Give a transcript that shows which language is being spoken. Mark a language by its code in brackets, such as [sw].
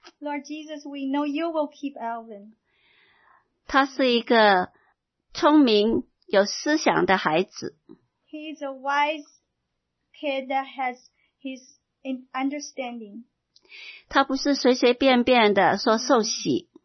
[en] Lord Jesus, we know you will keep Alvin. [zh] 他是一个聪明有思想的孩子。 [en] He is a wise kid that has his understanding. [zh] 他不是随随便便的说受洗。